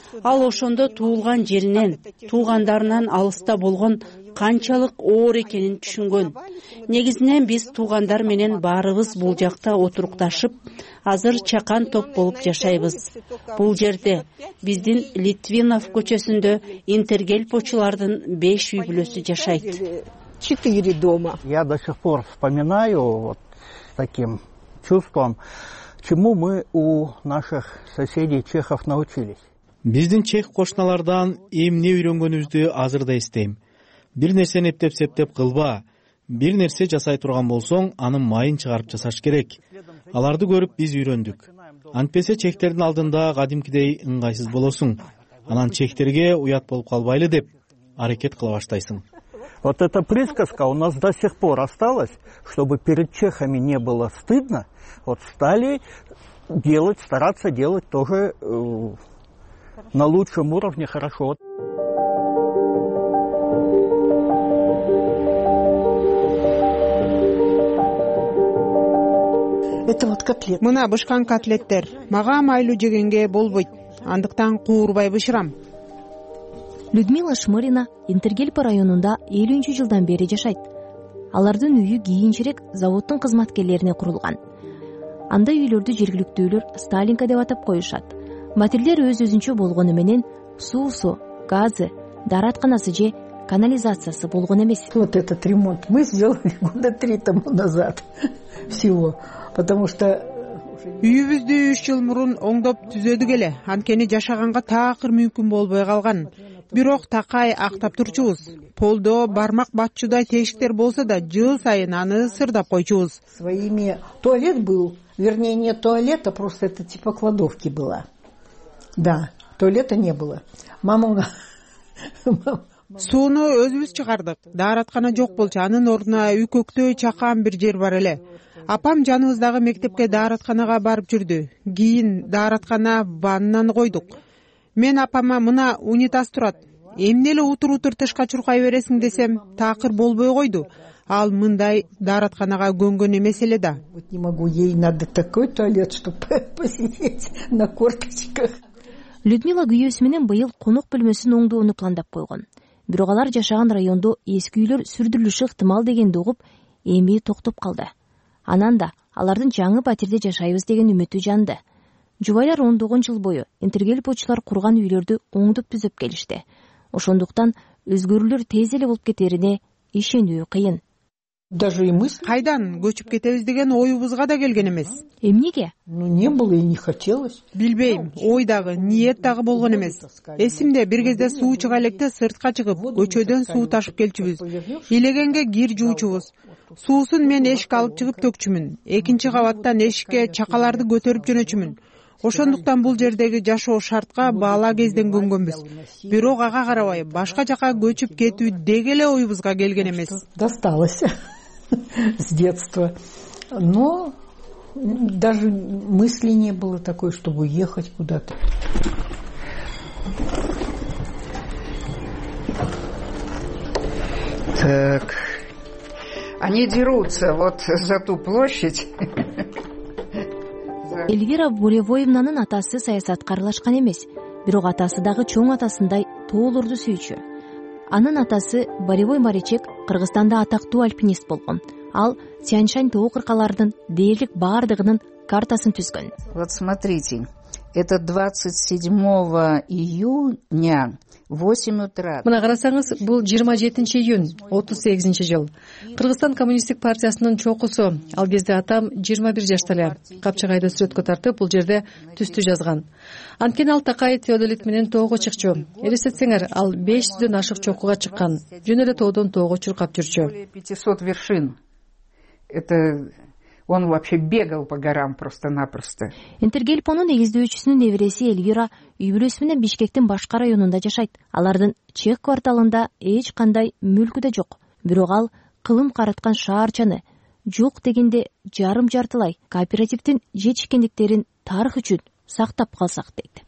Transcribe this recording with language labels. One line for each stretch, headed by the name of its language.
Kyrgyz: Ал ошондо туулган жеринен, туугандарынан алыста болгон канчалык оор экенин түшүнгөн. Негизинен биз туугандар менен баарыбыз бул жакта отурукташып, азыр чакан топ болуп жашайбыз. Бул жерде биздин Литвинов көчөсүндө Интергелпочулардын 5 үй бүлөсү жашайт.
Russian: 4 дома. Я до сих пор вспоминаю вот таким чувством, чему мы у наших соседей чехов научились.
Kyrgyz: Биздин чех кошуналардан эмне үйрөнгөнүбүздү азыр да эстейм. Бир нерсени эптеп-септеп кылба. Бир нерсе жасай турган болсоң, анын майын чыгарып жасаш керек. Аларды көрүп биз үйрөндүк. Антпесе чектердин алдында кадимкидей ыңгайсыз болосуң. Анан чектерге уят болуп калбайлы деп аракет кыла баштайсың.
Russian: Вот эта присказка у нас до сих пор осталась, чтобы перед чехами не было стыдно, вот стали делать, стараться делать тоже на лучшем уровне хорошо. Это вот котлет.
Kyrgyz: Мына бышкан котлеттер. Мага майлу жегенге болбойт. Андыктан куурбай бышырам. Людмила Шмырина Интергельпа районунда 50 жылдан бери жашайт. Алардын үйү кийинчерээк заводдун кызматкерлерине курулган. Андай үйлөрдү жергиликтүүлөр Сталинка деп атап коюшат. Материалдар өз-өзүнчө болгону менен суусу, газы, даратканасы же канализациясы болгон эмес.
Russian: Вот этот ремонт мы сделали года 3 тому назад всего, потому что
Kyrgyz: үйүбүздү 3 жыл мурун оңдоп түзөдүк эле, анткени жашаганга такыр мүмкүн болбой калган. Бирок такай актап турчубуз. Полдо бармак батчудай тешиктер болсо да, жыл сайын аны сырдап койчубуз.
Russian: Своими туалет был, вернее не туалет, а просто это типа кладовки была. Да, туалета не было.
Kyrgyz: Мамага сууну өзүбүз чыгардык. Дааратканы жок болчу, анын ордуна үкөктөй чакан бир жер бар эле. Апам жаныбыздагы мектепке дааратканага барып жүрдү. Кийин дааратканага ваннан койдук. Мен апама мына унитаз турат. Эмне эле утур-утур тышка чуркай бересиң десем, такыр болбой койду. Ал мындай дааратканага көнгөн эмес эле да.
Russian: Вот не могу, ей надо такой туалет, чтобы посидеть на корточках.
Kyrgyz: Людмила күйөөсү менен быйыл конок бөлмөсүн оңдоону пландап койгон. Бирок алар жашаган райондо эски үйлөр сүрдүрүлүшү ыктымал дегенди угуп, эми токтоп калды. Анан да алардын жаңы батирде жашайбыз деген үмүтү жанды. Жубайлар 10 жыл бою Интергельпочулар курган үйлөрдү оңдоп түзөп келишти. Ошондуктан өзгөрүүлөр тез эле болуп кетерине ишенүү кыйын.
Russian: Даже и мысль.
Kyrgyz: Кайдан көчүп кетебиз деген оюбузга да келген эмес. Эмнеге?
Russian: Ну не было и не хотелось.
Kyrgyz: Билбейм, ой дагы, ниет дагы болгон эмес. Эсимде бир кезде суу чыга электе сыртка чыгып, көчөдөн суу ташып келчүбүз. Илегенге кир жуучубуз. Суусун мен эшикке алып чыгып төкчүмүн. Экинчи кабаттан эшикке чакаларды көтөрүп жөнөчүмүн. Ошондуктан бул жердеги жашоо шартка баала кезден көнгөнбүз. Бирок ага карабай башка жака көчүп кетүү деги эле оюбузга келген эмес.
Russian: Досталось с детства. Но даже мысли не было такой, чтобы уехать куда-то. Так. Они дерутся вот за ту площадь.
Kyrgyz: Эльвира Буревоевнанын атасы саясаткер аралашкан эмес, бирок атасы дагы чоң атасындай тоолорду сүйүүчү. Анын атасы Буревой Маричек Кыргызстанда атактуу альпинист болгон. Ал Тянь-Шань тоо кыркаларынын дээрлик бардыгынын картасын түзгөн.
Russian: Вот смотрите. Это 27 июня, 8 утра.
Kyrgyz: Мына карасаңыз, бул 27 июнь, 38 жыл. Кыргызстан коммунисттик партиясынын чокусу. Ал кезде атам 21 жашта эле. Капчагайда сүрөткө тартып, бул жерде түстү жазган. Анткени ал Такай Теодолит менен тоого чыкчу. Элестетсеңер, ал 500дөн ашык чокуга чыккан. Жөн эле тоодон тоого чуркап жүрчү.
Russian: 500 вершин. Это он вообще бегал по горам просто-напросто.
Kyrgyz: Интергельпонун негиздөөчүсүнүн небереси Эльвира үйбүрөсү менен Бишкектин башка районунда жашайт. Алардын чек кварталында эч кандай мүлкү да жок. Бирок ал кылым карыткан шаарчаны жок дегенде жарым жартылай кооперативдин жетишкендиктерин тарых үчүн сактап калсак дейт.